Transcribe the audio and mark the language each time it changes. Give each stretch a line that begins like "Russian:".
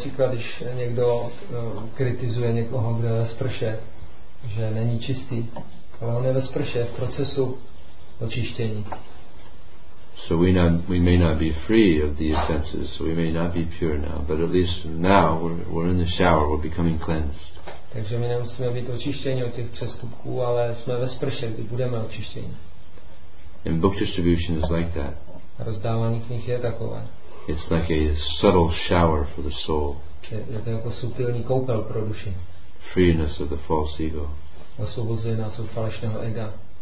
Czech: Když někdo kritizuje někoho, kdo je ve sprše, že není čistý, ale on je ve sprše v procesu očištění.
English: So we may not be free of the offenses. We may not be pure now, but at least now we're in the shower. We're becoming cleansed.
Czech: Takže my nemusíme být očištěni od těch přestupků, ale jsme ve sprše, kdy budeme očištěni.
English: And book distribution is like that.
Czech: Rozdávání knih je takové.
English: It's like a subtle shower for the soul.
Czech: Je to jako subtilní koupel pro duši.
English: Freeness of the false ego.
Czech: Osvobození nás od falešného ega.